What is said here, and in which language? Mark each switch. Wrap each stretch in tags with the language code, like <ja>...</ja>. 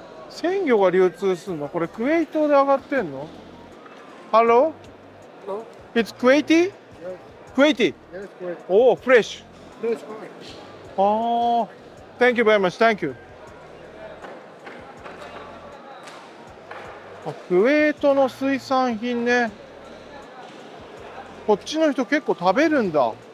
<ja>鮮魚が流通するの、これクウェイトで上がってんの。</ja> <en>ハロー、 It's Kuwaiti? クエイティ、おお、フレッシュ、あー、 Thank you very much. Thank you.</en> <ja>クウェートの水産品ね、こっちの人結構食べるんだ。</ja>